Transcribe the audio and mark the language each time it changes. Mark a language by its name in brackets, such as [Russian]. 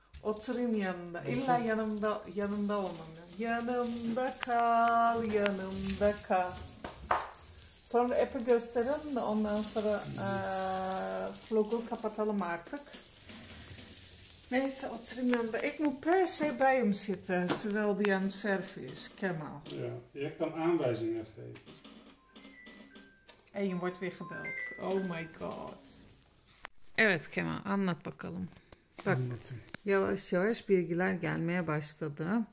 [Turkish] Oturayım yanında. İlla yanımda olmam lazım. Yanımda kal, yanımda kal. Sonra app'i gösterelim de ondan sonra vlogu kapatalım artık. Neyse oturayım yanında. [Dutch] Ik moet per se bij hem zitten terwijl die aan het verven is. Kemal. Ja, jij kan aanwijzingen geven. En je wordt weer gebeld. [English] Oh my god. [Turkish] Evet Kemal, anlat bakalım. Bak, anlatayım. Yavaş yavaş bilgiler gelmeye başladı.